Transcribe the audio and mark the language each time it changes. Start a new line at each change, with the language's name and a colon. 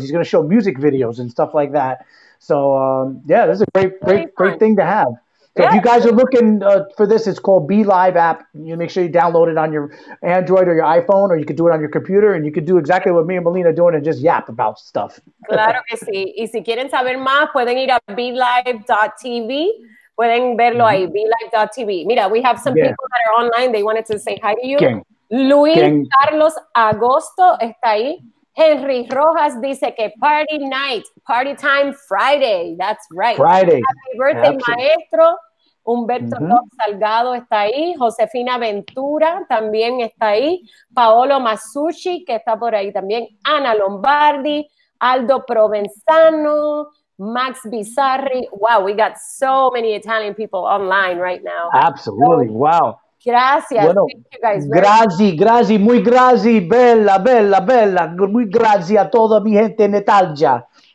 English: He's going to show music videos and stuff like that. So this is a great thing to have. So if you guys are looking for this, it's called Be Live app. You make sure you download it on your Android or your iPhone, or you could do it on your computer, and you could do exactly what me and Melina are doing and just yap about stuff.
Spanish: Claro que sí. Y si quieren saber más, pueden ir a belive.tv. Pueden verlo ahí, belive.tv.
English: Mira, we have some people that are online. They wanted to say hi to you. Carlos Agosto
Spanish: está ahí.
English: Henry Rojas
Spanish: dice que
English: party night, party time Friday. That's right. Friday. Happy birthday, maestro. Humberto Salgado
Spanish: está ahí. Josefina Ventura también está ahí. Paolo Masucci, que está por ahí también. Ana Lombardi, Aldo Provenzano, Max Bizarri.
English: Wow, we got so many Italian people online right now. Absolutely. So, wow.
Spanish: Gracias. Bueno,
English: thank you guys.
Italian: Grazie,
Spanish: muy grazie, bella, muy grazie a toda mi gente en Italia.